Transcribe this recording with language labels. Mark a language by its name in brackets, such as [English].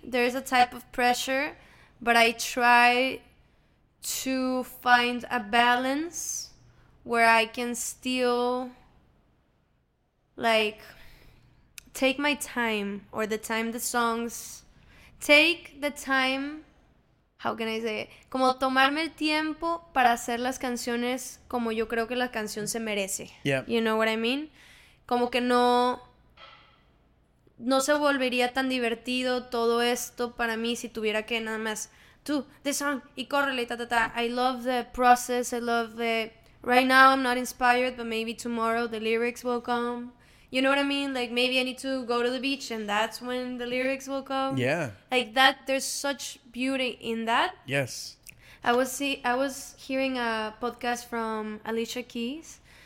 [English] There is a type of pressure, but I try to find a balance where I can still, like, take my time or the time the songs take the time. How can I say it? [Spanish] Como tomarme el tiempo para hacer las canciones como yo creo que la canción se merece. [English] Yeah. You know what I mean? [Spanish] Como que no se volvería tan divertido todo esto para mí si tuviera que nada más, tú, [English] this song, [Spanish] y córrele, ta, ta, ta. [English] I love the process, I love the, right now I'm not inspired, but maybe tomorrow the lyrics will come. You know what I mean? Like, maybe I need to go to the beach and that's when the lyrics will come. Yeah. Like, that, there's such beauty in that. Yes. I was hearing a podcast from Alicia Keys.